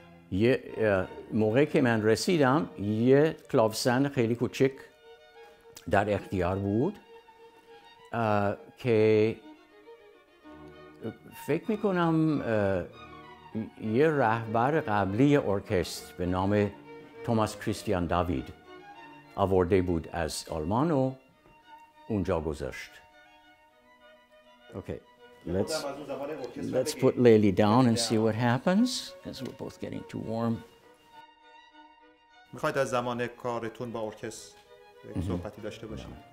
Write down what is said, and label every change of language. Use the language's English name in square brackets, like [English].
[Persian] یه موقعی که من رسیدم یه کلاوسن خیلی کوچک در اختیار بود که فکر میکنم یه رهبر قبلی ارکستر به نام توماس کریستیان داوید آورده بود از آلمان و اونجا گذاشت. [English] Okay. Let's put Lily down and see what happens as we're both getting too warm. [Persian] می‌خواید از زمان کارتون با ارکستر صحبتی داشته باشید؟